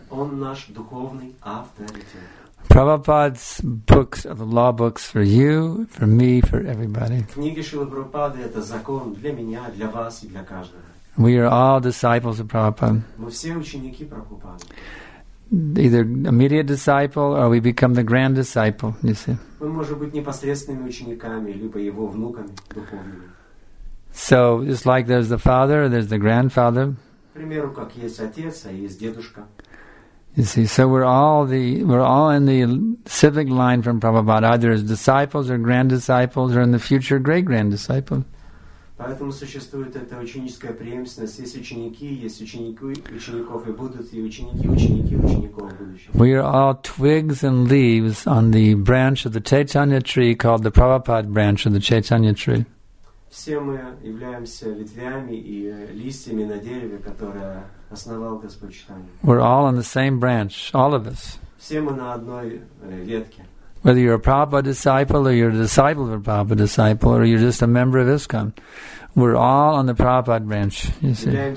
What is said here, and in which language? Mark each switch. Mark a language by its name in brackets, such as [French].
[Russian] Он наш духовный авторитет. [English] Prabhupada's books are the law books for you, for me, for everybody. [Russian] Книги Шрилы Прабхупады – это закон для меня, для вас и для каждого. [English] We are all disciples of Prabhupada. [Russian] Мы все ученики Прабхупады. [English] either immediate disciple or we become the grand disciple, you see. [Russian] Мы можем быть непосредственными учениками либо его внуками духовными. [English] So just like there's the father, there's the grandfather. [Russian] К примеру, как есть отец, а есть дедушка. [English] You see, so we're all in the civic line from Prabhupada, either as disciples or grand disciples or in the future great grand disciples. [Russian] Поэтому существует эта ученическая преемственность. Есть ученики, есть ученики учеников, и будут и ученики, ученики учеников будущего. [English] We are all twigs and leaves on the branch of the Chaitanya tree called the Prabhupada branch of the Chaitanya tree. [Russian] Все мы являемся ветвями и листьями на дереве, которое основал Господь Чайтанья. [English] We're all on the same branch, all of us. [Russian] Все мы на одной ветке. [English] Whether you're a Prabhupada disciple or you're a disciple of a Prabhupada disciple or you're just a member of ISKCON, we're all on the Prabhupada branch, you see.